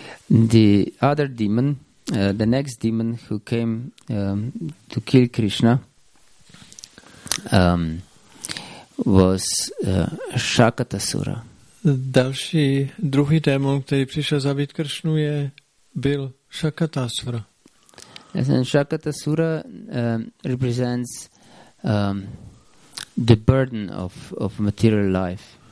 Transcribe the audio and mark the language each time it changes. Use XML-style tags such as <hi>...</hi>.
<en>The other demon, the next demon who came to kill Krishna, was Shakatasura.</en> <cs>Další druhý démon, který přišel zabít Kršnu, je byl Shakatasura.</cs> <en>And Shakatasura represents the burden of material life.</en>